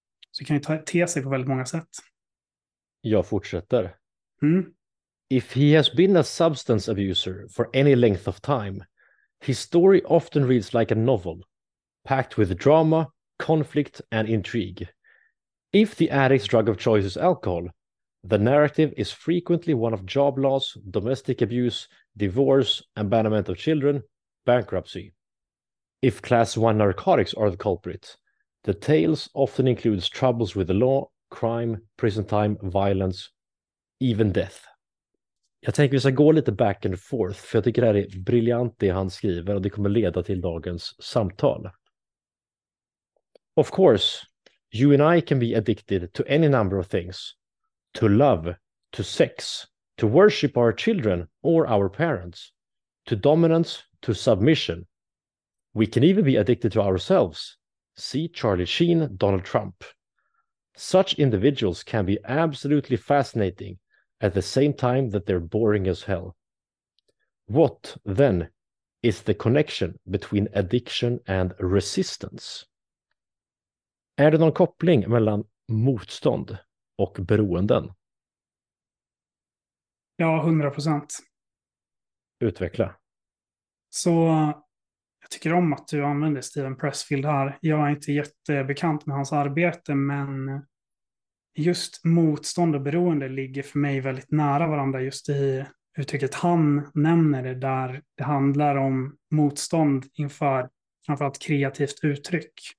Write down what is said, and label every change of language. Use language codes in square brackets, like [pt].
[sv] Så det kan ju te sig på väldigt många sätt. Jag fortsätter. Mm. [en] If he has been a substance abuser for any length of time, his story often reads like a novel, packed with drama, conflict and intrigue. If the addict's drug of choice is alcohol, the narrative is frequently one of job loss, domestic abuse, divorce, abandonment of children, bankruptcy. If class 1 narcotics are the culprit, the tales often includes troubles with the law, crime, prison time, violence, even death. [sv] Jag tänker att vi ska gå lite [en] back and forth, [sv] för jag tycker det här är briljant det han skriver och det kommer leda till dagens samtal. [en] Of course, you and I can be addicted to any number of things. To love, to sex, to worship our children or our parents, to dominance, to submission. We can even be addicted to ourselves. See Charlie Sheen, Donald Trump. Such individuals can be absolutely fascinating at the same time that they're boring as hell. What, then, is the connection between addiction and resistance? [sv] Är det någon koppling mellan motstånd och beroenden? Ja, 100%. Utveckla. Så, jag tycker om att du använder Steven Pressfield här. Jag är inte jättebekant med hans arbete, men just motstånd och beroende ligger för mig väldigt nära varandra just i uttrycket han nämner det där det handlar om motstånd inför framförallt kreativt uttryck.